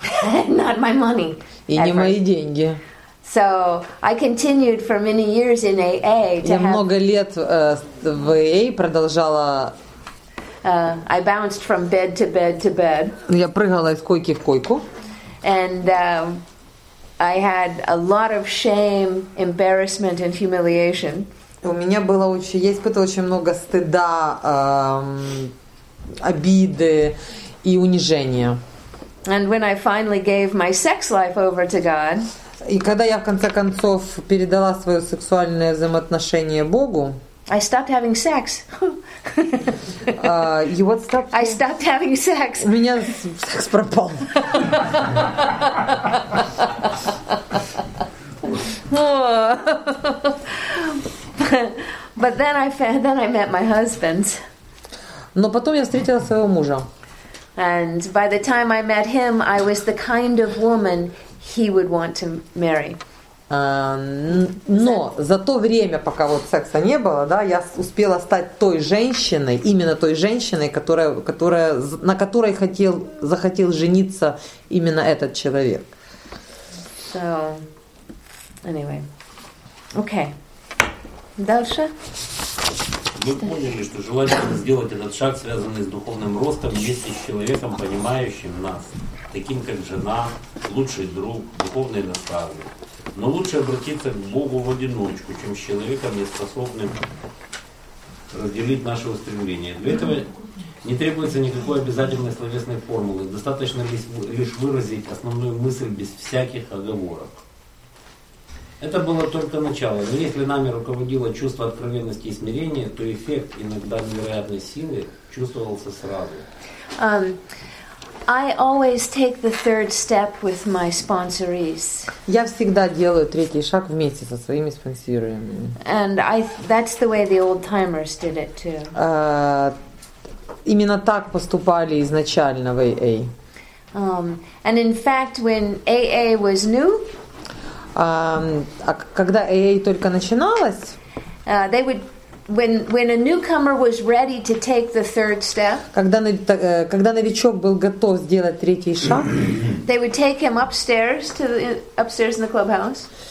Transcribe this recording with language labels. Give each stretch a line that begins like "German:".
English: Not my money.
Russian: И не мои деньги.
English: So I continued for many years in AA.
Russian: Я много лет в AA продолжала.
English: I bounced from bed to bed to bed.
Russian: Я прыгала из койки в койку.
English: And I had a lot of shame, embarrassment, and humiliation.
Russian: У меня было очень, я испытывала очень много стыда, обиды и унижения.
English: And when I finally gave my sex life over to God.
Russian: И когда я в конце концов передала свое сексуальное взаимоотношение Богу.
English: I stopped having sex. You what stopped? I stopped having sex.
Russian: У меня секс пропал.
English: But then I met my husband.
Russian: Но потом я встретила своего мужа.
English: And by the time I met him, I was the kind of woman he would want to marry.
Russian: Но за то время, пока вот секса не было, да, я успела стать той женщиной, именно той женщиной, на которой захотел жениться именно этот человек.
English: So, anyway. Okay.
Russian: Дальше. Мы поняли, что желательно сделать этот шаг, связанный с духовным ростом, вместе с человеком, понимающим нас, таким как жена, лучший друг, духовный наставник. Но лучше обратиться к Богу в одиночку, чем с человеком, не способным разделить наше устремление. Для этого не требуется никакой обязательной словесной формулы. Достаточно лишь выразить основную мысль без всяких оговорок. Это было только начало. Но если нами руководило чувство откровенности и смирения, то эффект иногда невероятной силы чувствовался сразу.
English: I always take the third step with my sponsorees.
Russian: Я всегда делаю третий шаг вместе со своими спонсорами.
English: And that's the way the old timers did it too.
Russian: Именно так поступали изначально в AA.
English: And in fact, when AA was new,
Russian: когда AA только начиналось,
English: they would. When a newcomer was ready to take the third step,
Russian: когда новичок был готов сделать третий шаг,
English: they would take him upstairs in the clubhouse.